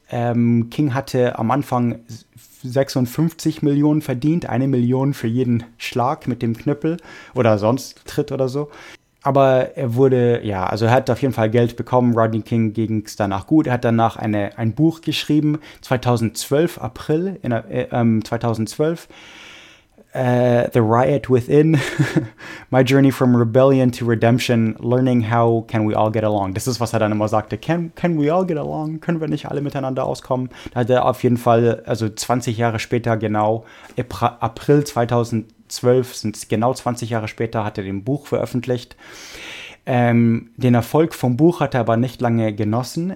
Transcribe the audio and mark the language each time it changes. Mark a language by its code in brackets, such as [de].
[de] King hatte am Anfang 56 Millionen verdient, 1 Million für jeden Schlag mit dem Knüppel oder sonst Tritt oder so. Aber er wurde, ja, also er hat auf jeden Fall Geld bekommen. Rodney King ging es danach gut. Er hat danach ein Buch geschrieben, 2012, April, 2012. [en] The Riot Within, My Journey from Rebellion to Redemption, Learning How Can We All Get Along. [de] Das ist, was er dann immer sagte. [en] Can we all get along? [de] Können wir nicht alle miteinander auskommen? Da hat er auf jeden Fall, also 20 Jahre später genau, April 2012, sind es genau 20 Jahre später, hat er den Buch veröffentlicht. Den Erfolg vom Buch hat er aber nicht lange genossen.